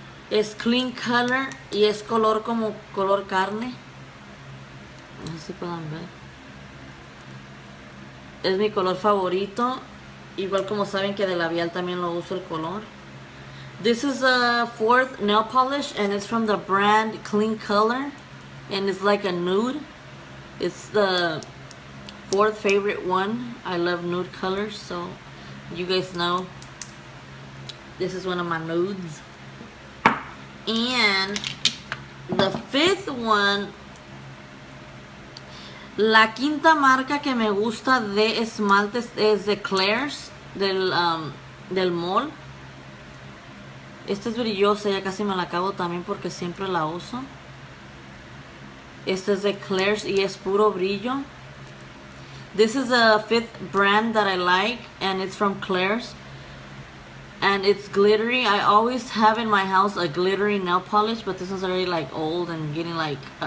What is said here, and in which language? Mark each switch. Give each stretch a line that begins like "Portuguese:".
Spanish: Es Clean Color y es color como color carne. No sé si puedan ver. Es mi color favorito. Igual como saben que de labial también lo uso el color.
English: This is a fourth nail polish and it's from the brand Clean Color. And it's like a nude. It's the fourth favorite one. I love nude colors, so you guys know. This is one of my nudes. And the fifth one.
Spanish: La quinta marca que me gusta de esmaltes es de Claire's. Del mall. Esta es brillosa. Ya casi me la acabo también porque siempre la uso. Esta es de Claire's y es puro brillo.
English: This is a fifth brand that I like. And it's from Claire's. And it's glittery. I always have in my house a glittery nail polish. But this is already like old and getting like...